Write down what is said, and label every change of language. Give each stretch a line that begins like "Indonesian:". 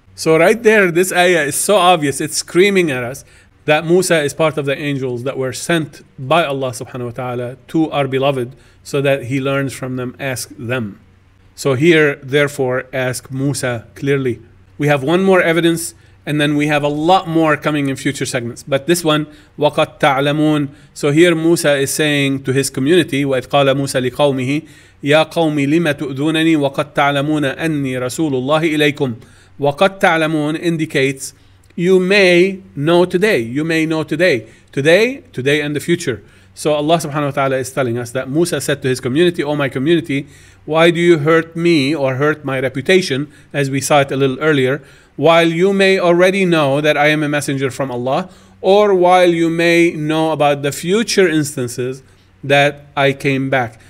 English: So right there, this ayah is so obvious, it's screaming at us that Musa is part of the angels that were sent by Allah subhanahu wa ta'ala to our beloved so that he learns from them, ask them. So here, therefore, ask Musa clearly. We have one more evidence, and then we have a lot more coming in future segments. But this one,
Arabic: وَقَدْ تَعْلَمُونَ.
English: So here Musa is saying to his community,
Arabic: وَإِذْ قَالَ مُوسَى لِقَوْمِهِ يَا قَوْمِ لِمَ تُؤْذُونَنِي وَقَدْ تَعْلَمُونَ أَنِّي رَسُولُ اللَّهِ إِلَيْكُمْ. وَقَدْ تَعْلَمُونَ
English: indicates you may know today. You may know today. Today, today and the future. So Allah subhanahu wa ta'ala is telling us that Musa said to his community, O my community, why do you hurt me or hurt my reputation, as we saw it a little earlier, while you may already know that I am a messenger from Allah, or while you may know about the future instances that I came back.